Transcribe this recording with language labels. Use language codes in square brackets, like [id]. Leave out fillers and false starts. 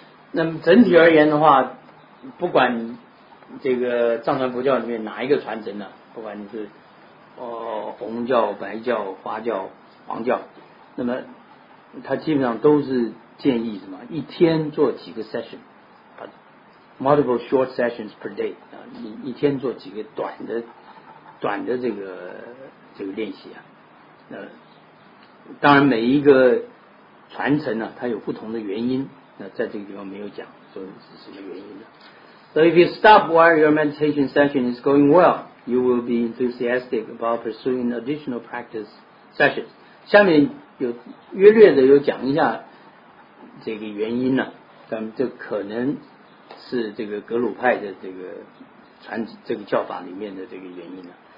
[zh] 那么整体而言的话，不管这个藏传佛教里面哪一个传承呢，不管你是红教、白教、花教、黄教，那么它基本上都是建议什么，一天做几个 session， [en] multiple short sessions per day， [zh] 一天做几个短的这个练习啊。当然每一个传承呢，它有不同的原因，在这个地方没有讲说是什么原因的。 [en] So if you stop while your meditation session is going well, you will be enthusiastic about pursuing additional practice sessions. [zh] 下面有约略的有讲一下这个原因呢，但这可能是这个格鲁派的这个传这个教法里面的这个原因了。